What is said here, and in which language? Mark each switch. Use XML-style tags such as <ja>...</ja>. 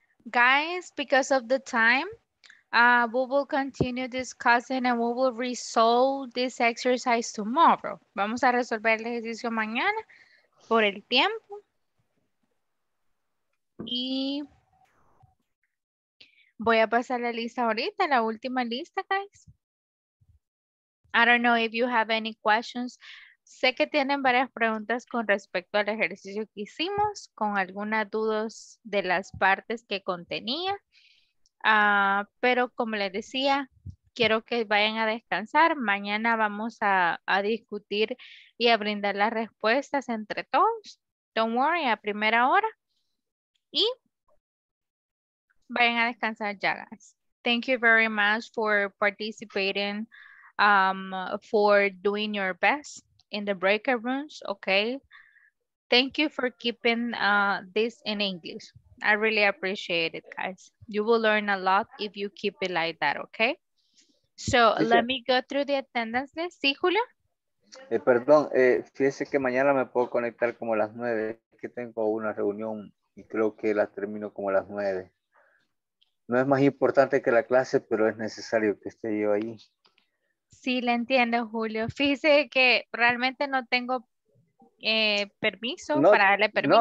<en>Guys, because of the time, we will continue discussing and we will resolve this exercise tomorrow.</en> <es>Vamos a resolver el ejercicio mañana por el tiempo. Y voy a pasar la lista ahorita, la última lista, guys.</es> <en>I don't know if you have any questions.</en> <es>Sé que tienen varias preguntas con respecto al ejercicio que hicimos, con algunas dudas de las partes que contenía. Pero como les decía, quiero que vayan a descansar. Mañana vamos a discutir y a brindar las respuestas entre todos.</es> <en>Don't worry,</en> <es>a primera hora. Y vayan a descansar ya, guys. Bye.</es> <en>Thank you very much for participating, for doing your best in the breakout rooms, okay? Thank you for keeping this in English. I really appreciate it, guys. You will learn a lot if you keep it like that, okay? So let me go through the attendance list.</en> <es>¿Sí, Julio? Perdón, fíjese que mañana me puedo conectar como a las 9, que tengo una reunión y creo que la termino como a las 9. No es más importante que la clase, pero es necesario que esté yo ahí. Sí, le entiendo, Julio. Fíjese que realmente no tengo permiso no, para darle permiso.</es>